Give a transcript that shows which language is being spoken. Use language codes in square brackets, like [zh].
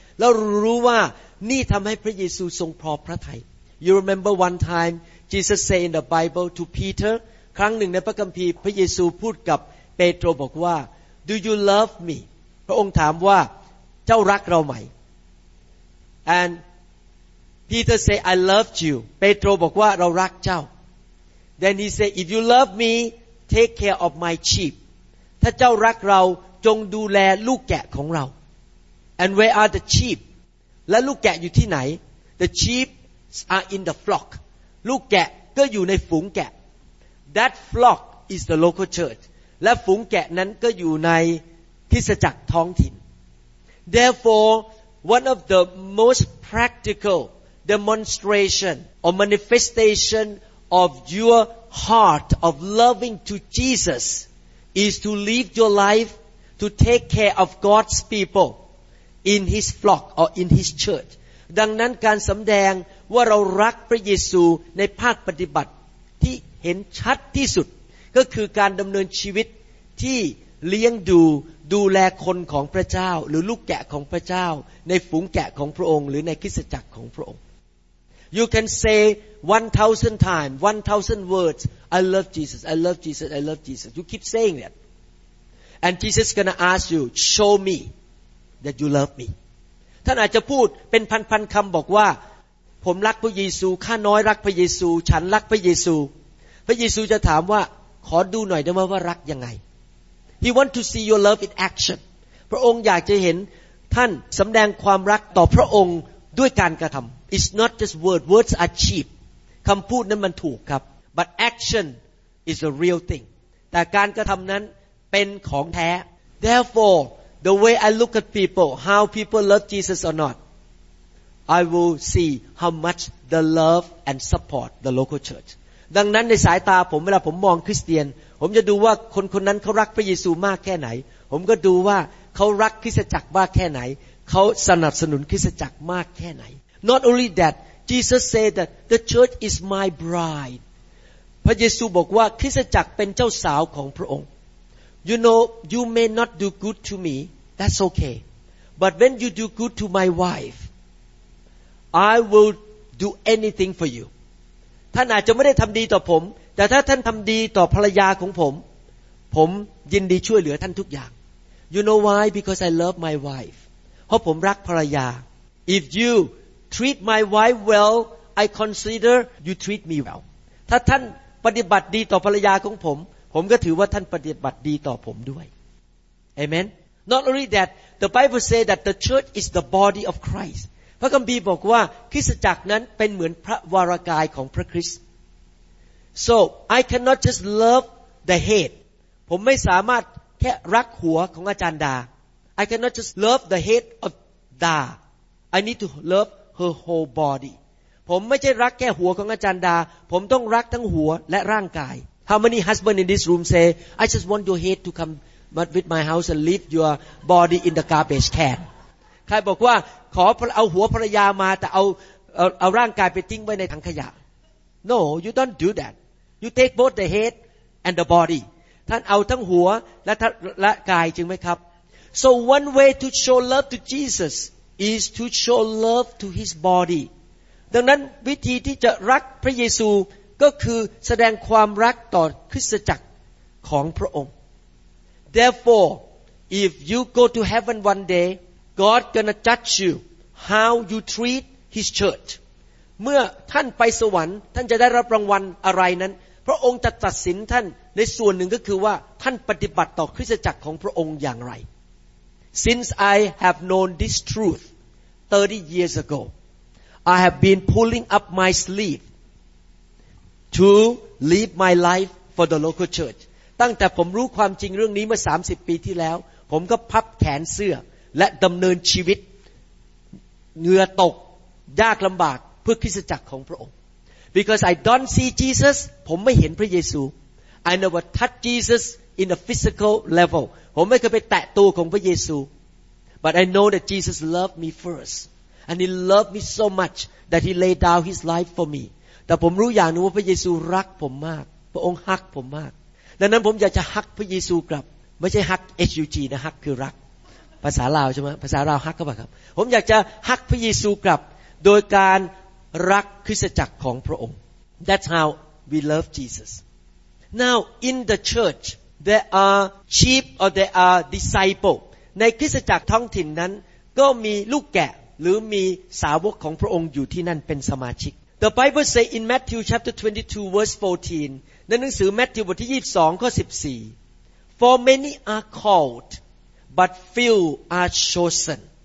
[th] แล้วรู้ว่านี่ทำให้พระเยซูทรงพอพระทัย [en] You remember one time Jesus said in the Bible to Peter [th] ครั้งหนึ่งในพระคัมภีร์พระเยซูพูดกับเปโตรบอกว่า [en] Do you love me? [th] พระองค์ถามว่าเจ้ารักเราไหม [en] And Peter said I love you. [th] เปโตรบอกว่าเรารักเจ้า [en] Then he said If you love me, take care of my sheep. [th] ถ้าเจ้ารักเราจงดูแลลูกแกะของเรา [en] And where are the sheep? [th] และลูกแกะอยู่ที่ไหน [en] The sheep are in the flock. [th] ลูกแกะก็อยู่ในฝูงแกะ [en] That flock is the local church. [th] และฝูงแกะนั้นก็อยู่ในคริสตจักรท้องถิ่น [en] Therefore, one of the most practical demonstration or manifestation of your heart of loving to Jesus is to live your life to take care of God's people. In his flock or in his church. [th] ดังนั้นการสำแดงว่าเรารักพระเยซูในภาคปฏิบัติที่เห็นชัดที่สุดก็คือการดำเนินชีวิตที่เลี้ยงดูแลคนของพระเจ้าหรือลูกแกะของพระเจ้าในฝูงแกะของพระองค์หรือในคริสตจักรของพระองค์ [en] You can say 1,000 times, 1,000 words, I love Jesus, I love Jesus, I love Jesus. You keep saying that. And Jesus is going to ask you, show meThat you love me. [th] ท่านอาจจะพูดเป็นพันๆคำบอกว่าผมรักพระเยซูข้าน้อยรักพระเยซูฉันรักพระเยซูพระเยซูจะถามว่าขอดูหน่อยได้ไหมว่ารักยังไง [en] He want to see your love in action. [th] พระองค์อยากจะเห็นท่านสำแดงความรักต่อพระองค์ด้วยการกระทำ [en] It's not just words. Words are cheap. [th] คำพูดนั้นมันถูกครับ [en] But action is a real thing. [th] แต่การกระทำนั้นเป็นของแท้ [en] Therefore. The way I look at people, how people love Jesus or not, I will see how much the love and support the local church. [th] ดังนั้นในสายตาผมเวลาผมมองคริสเตียนผมจะดูว่าคนคนนั้นเขารักพระเยซูมากแค่ไหนผมก็ดูว่าเขารักคริสตจักรมากแค่ไหนเขาสนับสนุนคริสตจักรมากแค่ไหน [en] Not only that, Jesus said that the church is my bride. [th] พระเยซูบอกว่าคริสตจักรเป็นเจ้าสาวของพระองค์ [en] You know, you may not do good to me. That's okay. But when you do good to my wife, I will do anything for you. [th] ท่านอาจจะไม่ได้ทำดีต่อผมแต่ถ้าท่านทำดีต่อภรรยาของผมผมยินดีช่วยเหลือท่านทุกอย่าง [en] You know why? Because I love my wife. [th] เพราะผมรักภรรยา [en] If you treat my wife well, I consider you treat me well. [th] ถ้าท่านปฏิบัติดีต่อภรรยาของผมผมก็ถือว่าท่านปฏิบัติดีต่อผมด้วย [en] Amen Not only that the Bible say that the church is the body of Christ [th] พระคัมภีร์บอกว่าคริสตจักรนั้นเป็นเหมือนพระวรกายของพระคริสต์ [en] So I cannot just love the head [th] ผมไม่สามารถแค่รักหัวของอาจารย์ดา [en] I cannot just love the head of Da I need to love her whole body [th] ผมไม่ใช่รักแค่หัวของอาจารย์ดาผมต้องรักทั้งหัวและร่างกาย [en] How many husbands in this room say, I just want your head to come with my house and leave your body in the garbage can? [th] ใครบอกว่าขอเอาหัวภรรยามาแต่เอาร่างกายไปทิ้งไว้ในถังขยะ [en] No, you don't do that. You take both the head and the body. [th] ท่านเอาทั้งหัวและกายจริงไหมครับ [en] So one way to show love to Jesus is to show love to his body. [th] ดังนั้นวิธีที่จะรักพระเยซูก็คือแสดงความรักต่อคริสตจักรของพระองค์ [en] Therefore if you go to heaven one day God gonna judge you how you treat His church. [th] เมื่อท่านไปสวรรค์ท่านจะได้รับรางวัลอะไรนั้นพระองค์จะตัดสินท่านในส่วนหนึ่งก็คือว่าท่านปฏิบัติต่อคริสตจักรของพระองค์อย่างไร [en] Since I have known this truth 30 years ago, I have been pulling up my sleeve to live my life for the local church. [th] ตั้งแต่ผมรู้ความจริงเรื่องนี้เมื่อ30ปีที่แล้วผมก็พับแขนเสื้อและดำเนินชีวิตเหงื่อตกยากลำบากเพื่อคริสตจักรของพระองค์ [en] Because I don't see Jesus, [th] ผมไม่เห็นพระเยซู [en] I never touch Jesus in a physical level. ผมไม่เคยไปแตะตัวของพระเยซู But I know that Jesus loved me first. And He loved me so much that He laid down His life for me. [th] แต่ผมรู้อย่างนึงว่าพระเยซูรักผมมากพระองค์ฮักผมมากดังนั้นผมอยากจะฮักพระเยซูกลับไม่ใช่ฮัก HUG นะฮักคือรักภาษาลาวใช่ไหมภาษาลาวฮักก็แบบครับผมอยากจะฮักพระเยซูกลับโดยการรักคริสตจักรของพระองค์ [en] That's how we love Jesus. Now in the church there are sheep or there are disciples. [th] ในคริสตจักรท้องถิ่นนั้นก็มีลูกแกะหรือมีสาวกของพระองค์อยู่ที่นั่นเป็นสมาชิก [en] The Bible say in Matthew chapter 22 verse 14. [th] ในหนังสือมัทธิวบทที่22ข้อ14 [en] For many are called but few are chosen.